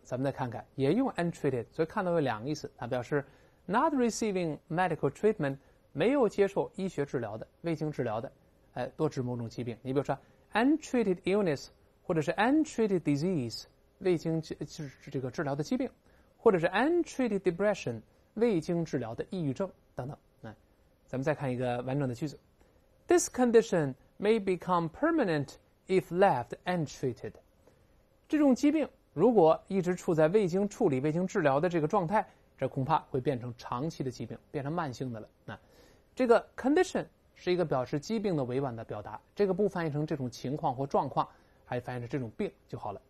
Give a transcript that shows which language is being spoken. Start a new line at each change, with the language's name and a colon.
Chinese: 咱们再看看，也用 untreated， 所以看到有两个意思，它表示
English: not receiving medical treatment，
Chinese: 没有接受医学治疗的，未经治疗的，哎，多指某种疾病。你比如说
English: untreated illness，
Chinese: 或者是
English: untreated disease，
Chinese: 未经这个治疗的疾病，或者是
English: untreated depression，
Chinese: 未经治疗的抑郁症等等。来，咱们再看一个完整的句子。
English: This condition may become permanent if left untreated.
Chinese: 这种疾病如果一直处在未经处理、未经治疗的这个状态，这恐怕会变成长期的疾病，变成慢性的了。那这个 condition 是一个表示疾病的委婉的表达，这个不翻译成这种情况或状况，还翻译成这种病就好了。